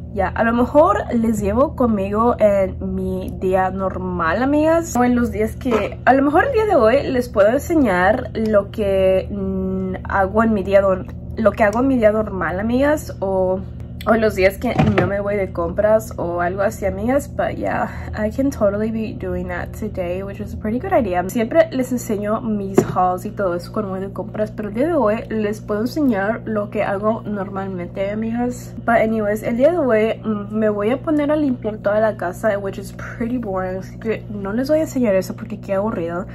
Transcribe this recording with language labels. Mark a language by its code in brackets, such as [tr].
[es] Ya, a lo mejor les llevo conmigo en mi día normal, amigas, o en los días que, a lo mejor el día de hoy les puedo enseñar lo que hago en mi día, lo que hago en mi día normal, amigas, o los días que no me voy de compras o algo así, amigas. [en] But yeah, I can totally be doing that today, which is a pretty good idea. [es] Siempre les enseño mis hauls y todo eso cuando voy de compras, pero el día de hoy les puedo enseñar lo que hago normalmente, amigas. [en] But anyways, [es] el día de hoy me voy a poner a limpiar toda la casa, [en] which is pretty boring. [es] Así que no les voy a enseñar eso porque qué aburrido.